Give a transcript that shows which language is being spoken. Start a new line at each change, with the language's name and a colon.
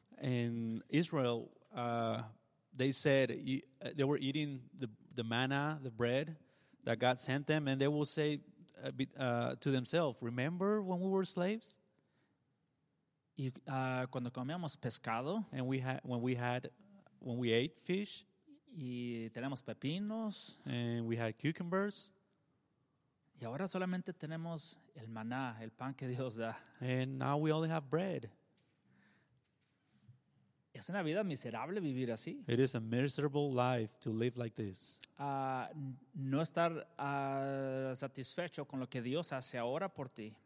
English: In Israel, they said they were eating the manna, the bread that God sent them, and they will say to themselves, remember when we were slaves?
Spanish: Y cuando comíamos pescado.
English: And when we ate fish.
Spanish: Y tenemos pepinos.
English: And we had cucumbers.
Spanish: Y ahora solamente tenemos el maná, el pan que Dios da.
English: And now we only have bread.
Spanish: Es una vida miserable vivir así.
English: It is a miserable life to live like this.
Spanish: No estar satisfecho con lo que Dios hace ahora por ti.